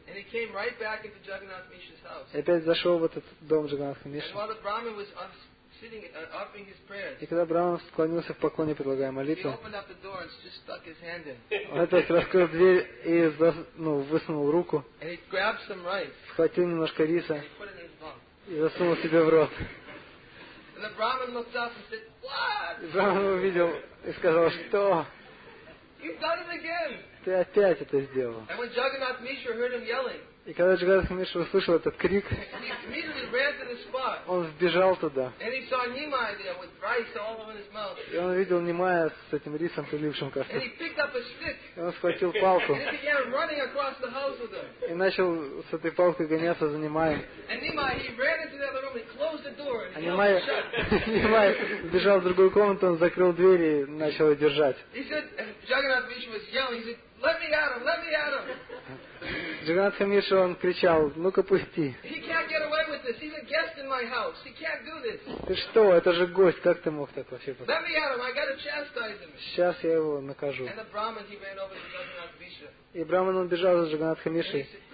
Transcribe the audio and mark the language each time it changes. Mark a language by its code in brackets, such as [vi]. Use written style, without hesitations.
[en] And he came right back into Jagannath Mishra's house. [ru] И опять зашел в этот дом Джагнатха Мишры. [en] While the Brahman was sitting offering his prayers, [ru] и когда Брахман склонился в поклоне, предлагая молитву, [en] he opened up the door and just stuck his hand in. [ru] Он опять раскрыл дверь и высунул руку. [en] And he grabbed some rice. [ru] Схватил немножко риса. [en] And he put it in his mouth. [ru] И засунул себе в рот. [en] And the Brahman looked up and said, "What?" [ru] И Брахман увидел и сказал: "Что?" [en] You've done it again. [ru] Ты опять это сделал. [en] And when Jagannath Mishra heard him yelling, [ru] и когда Джагнатх Мишра услышал этот крик, [en] he immediately ran to the spot. [ru] Он сбежал туда. [en] And he saw Nimai there with rice all over his mouth. [ru] И он увидел Нимая с этим рисом, прилившим ко рту. [en] And he picked up a stick. [ru] И он схватил палку. [en] And he began running across the house with him. [ru] И начал с этой палкой гоняться за Нимаем. [en] And Nimai, he ran into the other room, he closed the door and [ru] Nimai сбежал в другую комнату, он закрыл дверь и начал ее держать. [en] He said, Jagannath Mishra was yelling, he said, "Let me at him, let me at him." [ru] Джагнатх Мишра, он кричал: ну-ка, пусти. Ты что, это же гость, как ты мог так вообще поступить? Сейчас я его накажу. [en] And the Brahman, he ran over to Jagannath Mishra. [ru] И Брахман, он бежал за Джагнатх Мишрой.